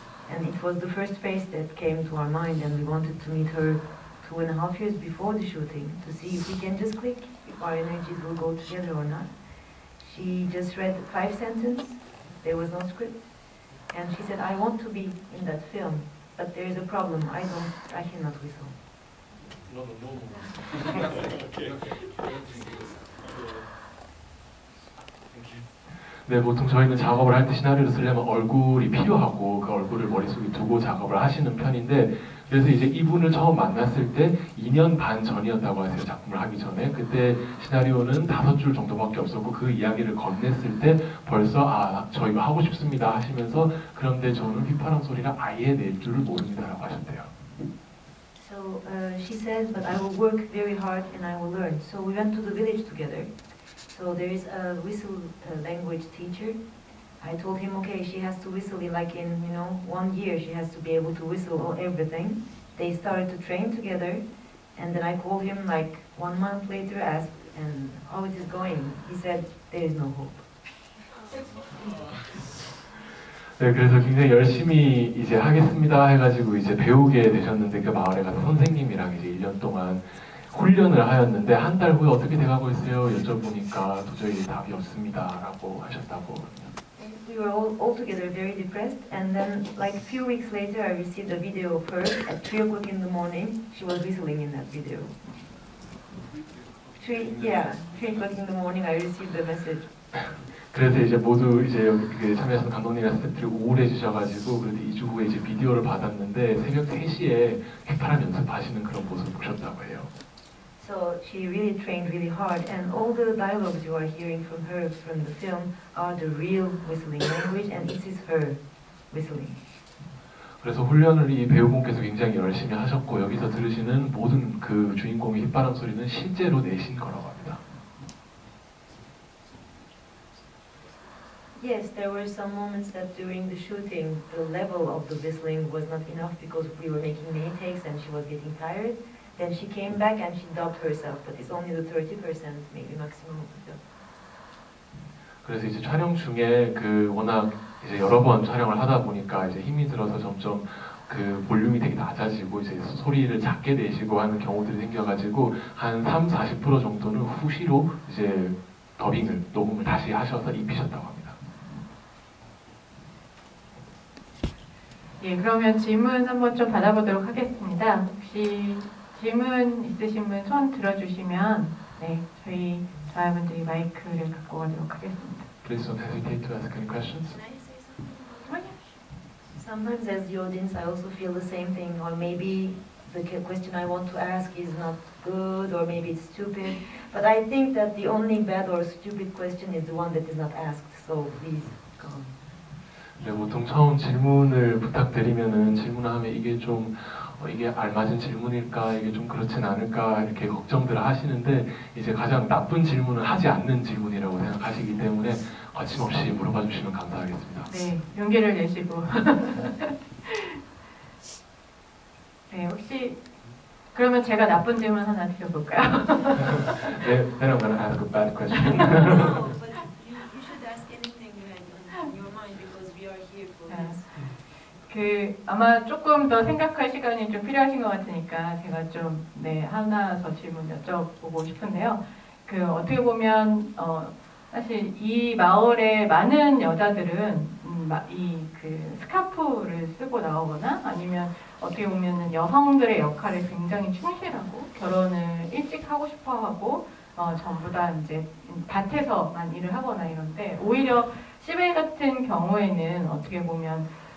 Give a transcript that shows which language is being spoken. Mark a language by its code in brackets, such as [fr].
[en] And it was the first face that came to our mind, and we wanted to meet her 2.5 years before the shooting to see if we can just click, if our energies will go together or not. She just read 5 sentences, there was no script, and she said, I want to be in that film, but there is a problem, I cannot whistle. Not a normal. [ko] 네, 보통 저희는 작업을 할 때 시나리오를 쓰려면 얼굴이 필요하고 그 얼굴을 머릿속에 두고 작업을 하시는 편인데 그래서 이제 이분을 처음 만났을 때 2년 반 전이었다고 하세요, 작품을 하기 전에. 그때 시나리오는 5줄 정도밖에 없었고 그 이야기를 건넸을 때 벌써 아, 저 이거 하고 싶습니다 하시면서 그런데 저는 휘파람 소리를 아예 낼 줄을 모릅니다 라고 하셨대요. [en] So she said, but I will work very hard and I will learn. So we went to the village together. So there is a whistle language teacher. I told him, okay, she has to whistle like in, you know, 1 year, she has to be able to whistle everything. They started to train together, and then I called him like 1 month later, asked, and how it is going? He said, there is no hope. [ko] 네, 그래서 굉장히 열심히 이제 하겠습니다 해가지고 이제 배우게 되셨는데 그 마을에 가서 선생님이랑 이제 1년 동안 훈련을 하였는데 한 달 후에 어떻게 돼가고 있어요? 여쭤보니까 도저히 답이 없습니다 라고 하셨다고. [en] We were all together very depressed, and then like a few weeks later I received a video of her at 3 o'clock in the morning. She was whistling in that video. Three o'clock in the morning I received the message. [ko] 그래서 이제 모두 이제 여기 참여하신 감독님이나 스태프들이 우울해 지셔가지고 그래도 2주 후에 이제 비디오를 받았는데 새벽 3시에 휘파람 연습하시는 그런 모습을 보셨다고 해요. [en] So she really trained really hard, and all the dialogues you are hearing from her from the film are the real whistling language, and this is her whistling. [ko] 그래서 훈련을 이 배우분께서 굉장히 열심히 하셨고 여기서 들으시는 모든 그 주인공의 휘파람 소리는 실제로 내신 거라고 합니다. [en] Yes, there were some moments that during the shooting, the level of the whistling was not enough because we were making many takes and she was getting tired. Then she came back and she dubbed herself, but it's only the 30%, maybe maximum of the film. [ko] 그래서 이제 촬영 중에 그 워낙 이제 여러 번 촬영을 하다 보니까 이제 힘이 들어서 점점 그 볼륨이 되게 낮아지고 이제 소리를 작게 내시고 하는 경우들이 생겨가지고 한 30-40% 정도는 후시로 이제 더빙을 녹음을 다시 하셔서 입히셨다고 합니다. 예, 그러면 질문 한번 좀 받아보도록 하겠습니다. 혹시 질문 있으신 분 손 들어주시면 네, 저희 자녀분들이 마이크를 갖고 가도록 하겠습니다. [en] Please don't hesitate to ask any questions. Can I say something? Sometimes as the audience, I also feel the same thing, or maybe the question I want to ask is not good, or maybe it's stupid. But I think that the only bad or stupid question is the one that is not asked. So please go. [ko] 네, 보통 처음 질문을 부탁드리면은 질문을 하면 이게 좀 이게 알맞은 질문일까 이게 좀 그렇진 않을까 이렇게 걱정들을 하시는데 이제 가장 나쁜 질문을 하지 않는 질문이라고 생각하시기 때문에 거침없이 물어봐 주시면 감사하겠습니다. 네, 용기를 내시고. 네, 혹시 그러면 제가 나쁜 질문 하나 드려볼까요? [en] 네, then I'm gonna ask a bad question. Yes. [ko] 그 아마 조금 더 생각할 시간이 좀 필요하신 것 같으니까 제가 좀 네, 하나 더 질문 여쭤보고 싶은데요. 그 어떻게 보면 사실 이 마을의 많은 여자들은 이 스카프를 쓰고 나오거나 아니면 어떻게 보면 여성들의 역할에 굉장히 충실하고 결혼을 일찍 하고 싶어 하고 전부 다 이제 밭에서만 일을 하거나 이런데 오히려 시베 같은 경우에는 어떻게 보면